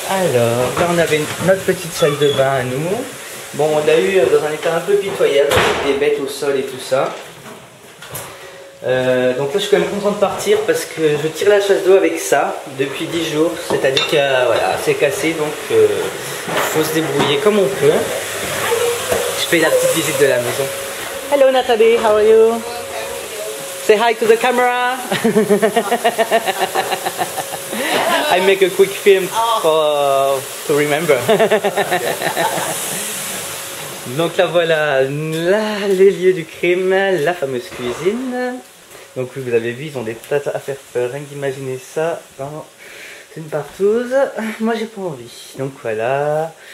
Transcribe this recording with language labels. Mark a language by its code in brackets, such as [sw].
[fr] Alors, là on avait notre petite salle de bain à nous. Bon, on l'a eu dans un état un peu pitoyable, avec des bêtes au sol et tout ça. Donc là je suis quand même content de partir parce que je tire la chasse d'eau avec ça depuis 10 jours. C'est-à-dire que voilà, c'est cassé, donc faut se débrouiller comme on peut. Je fais la petite visite de la maison. [en] Hello Nathalie, how are you? Say hi to the camera. I make a quick film to remember. [fr] Donc là voilà, là les lieux du crime, la fameuse cuisine. Donc vous avez vu, ils ont des plates à faire peur, rien qu'imaginer ça. C'est une partouze. Moi j'ai pas envie. Donc voilà.